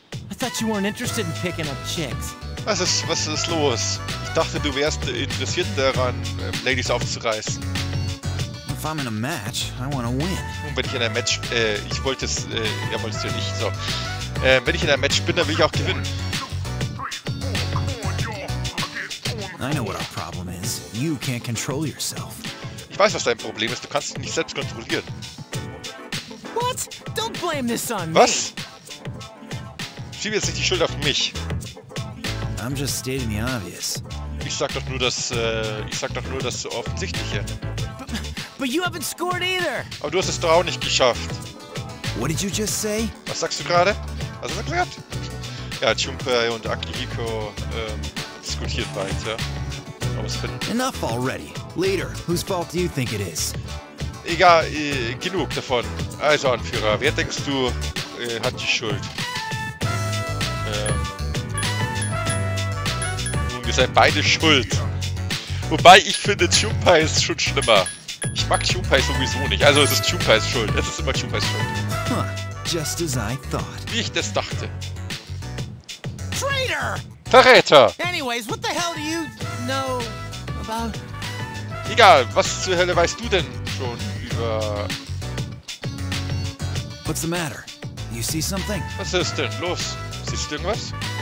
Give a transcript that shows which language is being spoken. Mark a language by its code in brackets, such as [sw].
[en] I thought you weren't interested in picking up chicks. [de] Was ist los? Ich dachte, du wärst interessiert daran, Ladies aufzureißen. [en] If I'm in a match, I want to win. [de] Und wenn ich in einem Match, ich wollte es, ja, wolltest du nicht, so. Wenn ich in einem Match bin, dann will ich auch gewinnen. [en] I know what our problem is. You can't control yourself. [de] Ich weiß, was dein Problem ist. Du kannst dich nicht selbst kontrollieren. [en] What? Don't blame this on me. [de] Was? Schieb jetzt nicht die Schuld auf mich. [en] I'm just stating the obvious. [de] Ich sag doch nur das Offensichtliche. [en] But you haven't scored either. [de] Aber du hast es doch auch nicht geschafft. [en] What did you just say? [de] Was sagst du gerade? Hast du es erklärt? Ja, Chumpei und Akihiko diskutiert weiter. [en] Enough already. Leader, whose fault do you think it is? [de] Egal, genug davon. Also Anführer, wer denkst du hat die Schuld? Nun, wir sind beide schuld. Wobei, ich finde, Chumpei ist schon schlimmer. Ich mag Chumpei sowieso nicht. Also es ist Chumpeis Schuld. Es ist immer Chumpeis Schuld. [en] Just as I thought. [de] Wie ich das dachte. [en] Traitor! [de] Verräter! [en] Anyways, what the hell do you know about? [de] Egal, was zur Hölle weißt du denn schon über [en] What's the matter? You see something? [de] Was ist denn los? Siehst du irgendwas?